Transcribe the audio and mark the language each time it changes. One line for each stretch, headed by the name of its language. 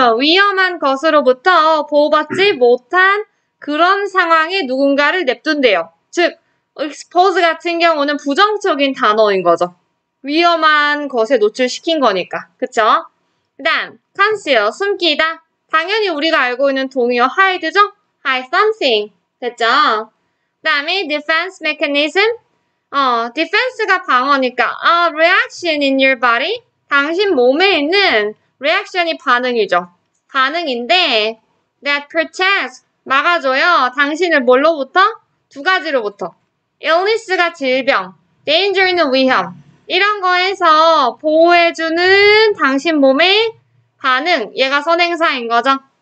Korean: 위험한 것으로부터 보호받지 못한 그런 상황에 누군가를 냅둔대요. 즉, 익스포즈 같은 경우는 부정적인 단어인 거죠. 위험한 것에 노출시킨 거니까. 그쵸? 그다음 conceal 숨기다. 당연히 우리가 알고 있는 동의어 hide죠?
English: Hide something.
Korean: 됐죠?
English: 그다음에 defense mechanism. defense가 방어니까 reaction in your body.
Korean: 당신 몸에 있는 reaction이 반응이죠. 반응인데
English: that protects
Korean: 막아줘요. 당신을 뭘로부터? 두 가지로부터. illness가 질병, danger는 위험. 이런 거에서 보호해주는 당신 몸의 반응, 얘가 선행사인 거죠.